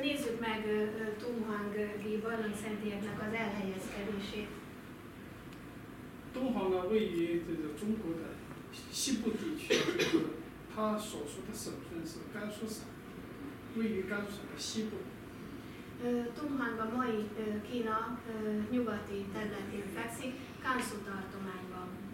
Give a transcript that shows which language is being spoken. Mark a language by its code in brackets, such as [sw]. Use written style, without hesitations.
[hu] nézzük meg Tunhang-i barlangszentélyeknek az elhelyezkedését。 [zh] 东方呢，位于这个中国的西部地区，它所属的省份是甘肃省，位于甘肃的西部。 [hu] Tunhang a mai Kína nyugati területén fekszik, Kánszú tartományban.